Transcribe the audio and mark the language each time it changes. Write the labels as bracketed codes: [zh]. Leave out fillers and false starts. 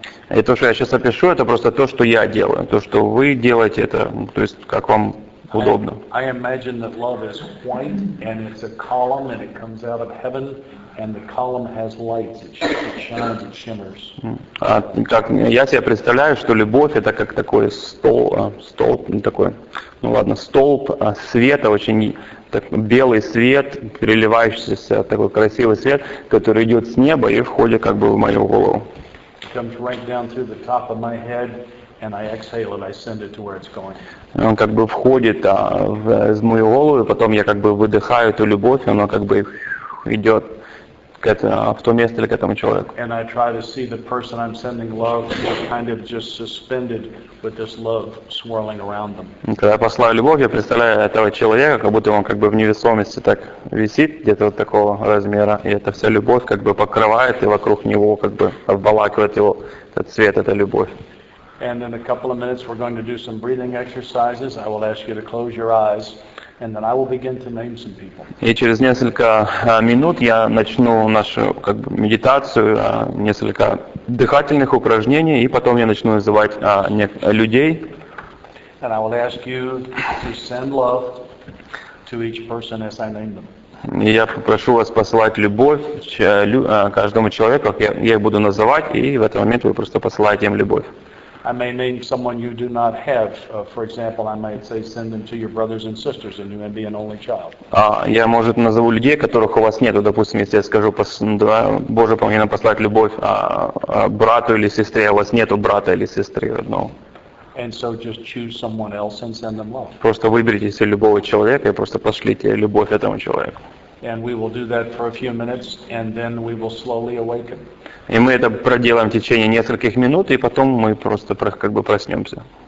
[ru] И то, что я сейчас опишу, это просто то, что я делаю. То, что вы делаете, это, то есть, как вам удобно. [en] I imagine that love is white, and it's a column, and it comes out of heaven. And the column has lights. It shines. It shimmers. [ru] Так я себе представляю, что любовь это как такой столб, не такой. Ну ладно, столб света, очень так, белый свет, переливающийся такой красивый свет, который идет с неба и входит как бы в мою голову. [en] It comes right down through the top of my head, and I exhale it. I send it to where it's going. [ru] Он как бы входит из мою голову, и потом я как бы выдыхаю эту любовь, и она как бы идет. В то место или к этому человеку. [en] And I try to see the person I'm sending love kind of just suspended with this love swirling around them. [ru] Когда я посылаю любовь, я представляю этого человека, как будто он как бы в невесомости так висит, где-то вот такого размера, и эта вся любовь как бы покрывает и вокруг него как бы обволакивает его этот свет, эта любовь. [en] And in a couple of minutes we're going to do some breathing exercises. I will ask you to close your eyes. And then I will begin to name some people. [ru] И через несколько минут я начну нашу как бы медитацию, несколько дыхательных упражнений, и потом я начну называть людей. [en] And I will ask you to send love to each person as I name them. [ru] И я попрошу вас посылать любовь каждому человеку, как я их буду называть, и в этот момент вы просто посылаете им любовь. [en] I may name someone you do not have. For example, I might say, send them to your brothers and sisters, and you may be an only child. [ru] Я может назову людей, которых у вас нету. Допустим, если я скажу, Боже, помоги нам послать любовь брату или сестре, а у вас нету брата или сестры родного. [en] And so just choose someone else and send them love. [ru] Просто выберите себе любого человека и просто пошлите любовь этому человеку. [en] And we will do that for a few minutes, and then we will slowly awaken. [ru] И мы это проделаем в течение нескольких минут, и потом мы просто как бы проснемся.